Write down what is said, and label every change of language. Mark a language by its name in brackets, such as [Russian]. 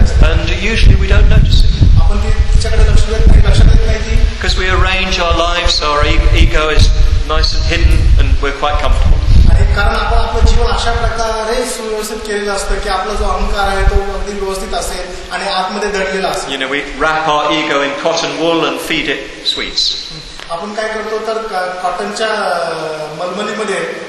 [English] And usually we don't notice it. Because we arrange our lives so our ego is nice and hidden and we're quite comfortable. [Marathi] अहंकाराने सुव्यवस्थित केलेलं असतं की आपला जो अहंकार आहे तो अगदी व्यवस्थित असेल आणि आतमध्ये दडलेला असेल. [English] You know, we wrap our ego in cotton wool and feed it sweets. [Marathi] आपण काय करतो तर कॉटनच्या मलमलीमध्ये